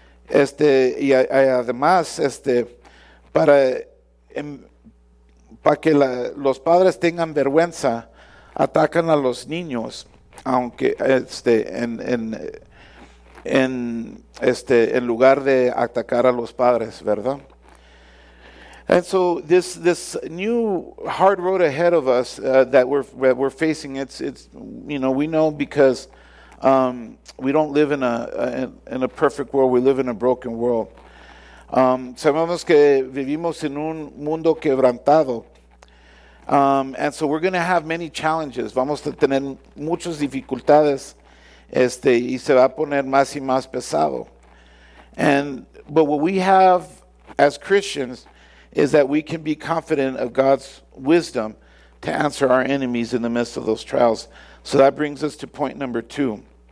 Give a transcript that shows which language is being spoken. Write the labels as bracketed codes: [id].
[es] Y además, para que los padres tengan vergüenza, atacan a los niños, aunque en lugar de atacar a los padres, ¿verdad? [en] And so this new hard road ahead of us that we're facing, it's you know, we know, because we don't live in a perfect world. We live in a broken world. [es] Sabemos que vivimos en un mundo quebrantado. [en] And so we're going to have many challenges. [es] Vamos a tener muchas dificultades, y se va a poner más y más pesado. [en] But what we have as Christians is that we can be confident of God's wisdom to answer our enemies in the midst of those trials. So that brings us to point number two.